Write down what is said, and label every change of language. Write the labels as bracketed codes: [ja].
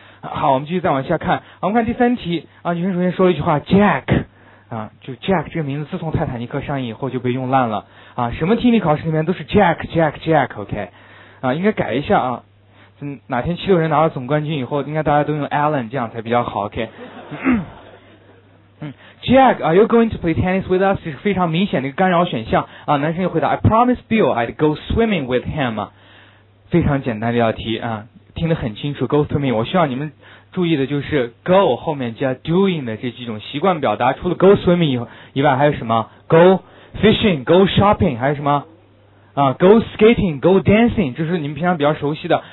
[zh] 好，我们继续再往下看。我们看第三题女生首先说了一句话 Jack 就 Jack 这个名字自从泰坦尼克上映以后就被用烂了什么听力考试里面都是 Jack Jack Jack。 OK 应该改一下哪天七六人拿到总冠军以后应该大家都用 Alan 这样才比较好。 [en] OK Jack, are you going to play tennis with us? [zh] 是非常明显的一个干扰选项男生又回答 I promise Bill I'd go swimming with him。非常简单的一道题听得很清楚， go swimming。我希望你们注意的就是 go 后面加 doing 的这几种习惯表达，除了 go swimming 以外还有什么 go fishing, go shopping, 还有什么 go skating, go dancing, 这是你们平常比较熟悉的。